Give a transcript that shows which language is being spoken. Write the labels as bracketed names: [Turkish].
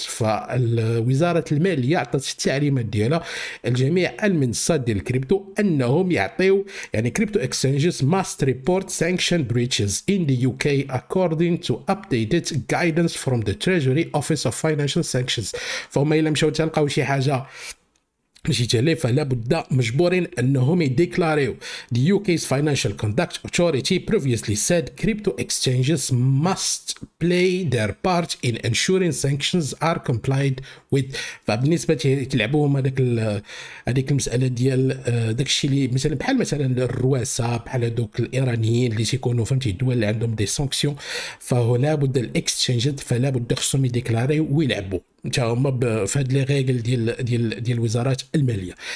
[Arabic] فالوزارة المالية عطات التعليمات ديالها لجميع المنصات ديال الكريبتو انهم يعطيو يعني [English] crypto exchanges must report sanction breaches in the UK according to updated guidance from the Treasury Office of Financial Sanctions. [Arabic] فهم الا مشاو تلقاو شي حاجه ماشي تلافة لابد مجبورين انهم يديكلاريو. [English] The UK's Financial Conduct Authority previously said crypto exchanges must play their part in ensuring sanctions are complied with. [Arabic] فبالنسبة تلعبوهم هذيك المسألة ديال داك الشيء اللي مثلا بحال مثلا الرواسة بحال هذوك الإيرانيين اللي تيكونوا فهمتي الدول اللي عندهم دي سانكسيون فهلا بد الاكسشينجات فلا بد خصهم يديكلاريو ويلعبوا تاهما بفهاد لي ريغل ديال ديال ديال الوزارات الماليه.